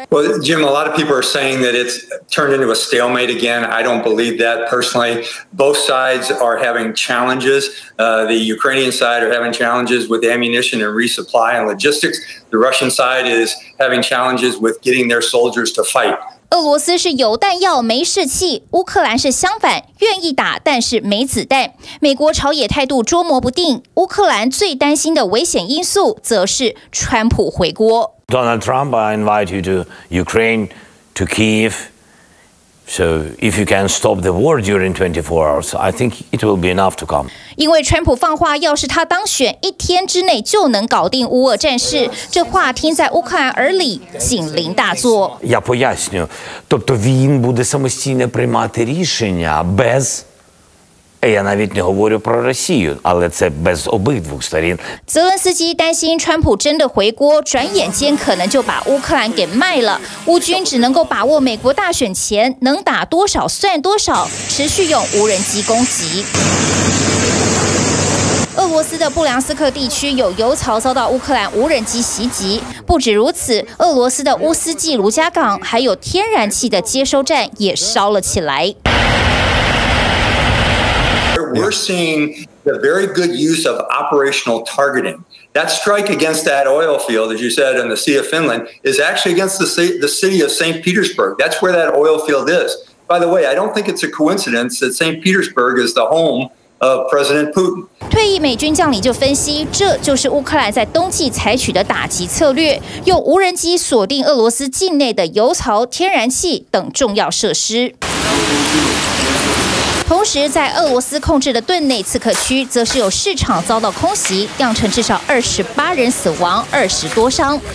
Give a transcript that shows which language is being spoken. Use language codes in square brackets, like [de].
[en] Well, Jim, a lot of people are saying that it'sTurned into a stalemate again. I don't believe that personally. Both sides are having challenges. The Ukrainian side are having challenges with ammunition and resupply and logistics. The Russian side is having challenges with getting their soldiers to fight. [zh] 俄罗斯是有弹药没士气，乌克兰是相反，愿意打但是没子弹。美国朝野态度捉摸不定，乌克兰最担心的危险因素则是川普回国。 [en] Donald Trump, I invite you to Ukraine, to Kyiv. So if you can stop the war during 24 hours, I think it will be enough to come. [zh] 因为川普放话，要是他当选，一天之内就能搞定乌俄战事。这话听在乌克兰耳里，警铃大作。 [uk] Я поясню, тобто він буде самостійно приймати рішення без... Я навіть не говорю про Росію, але це без обидвох сторін. [zh] 泽伦斯基担心川普真的回国，转眼间可能就把乌克兰给卖了。乌军只能够把握美国大选前能打多少算多少，持续用无人机攻击。俄罗斯的布良斯克地区有油槽遭到乌克兰无人机袭击。不止如此，俄罗斯的乌斯季卢加港还有天然气的接收站也烧了起来。 [en] We're seeing the very good use of operational targeting. That strike against that oil field, as you said, in the Sea of Finland, is actually against the city of St. Petersburg. That's where that oil field is. By the way, I don't think it's a coincidence that St. Petersburg is the home of President Putin. [zh] 退役美军将领就分析，这就是乌克兰在冬季采取的打击策略，用无人机锁定俄罗斯境内的油槽、天然气等重要设施。同时，在俄罗斯控制的顿内茨克区，则是有市场遭到空袭，酿成至少28人死亡、20多伤。